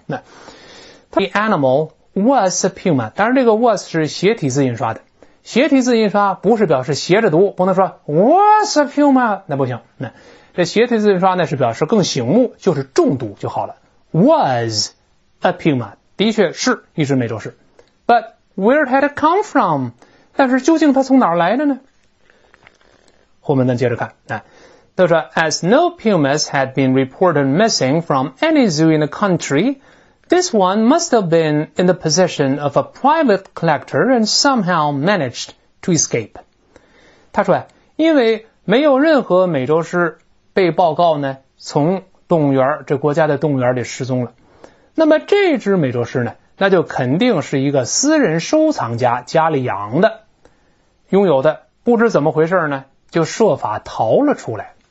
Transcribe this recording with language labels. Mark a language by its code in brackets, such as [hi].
[en] The animal was a puma， [zh] 当然这个 was 是斜体字印刷的，斜体字印刷不是表示斜着读，不能说 was a puma， 那不行。这斜体字印刷呢是表示更醒目，就是重读就好了。 [en] Was a puma， [zh] 的确是一只美洲狮。 [en] But where had it come from？ [zh] 但是究竟它从哪儿来的呢？后面呢接着看，他说 [en] As no pumas had been reported missing from any zoo in the country, this one must have been in the possession of a private collector and somehow managed to escape. [zh] 他说，因为没有任何美洲狮被报告呢，从动物园，这国家的动物园里失踪了。那么这只美洲狮呢，那就肯定是一个私人收藏家家里养的，拥有的，不知怎么回事呢，就设法逃了出来。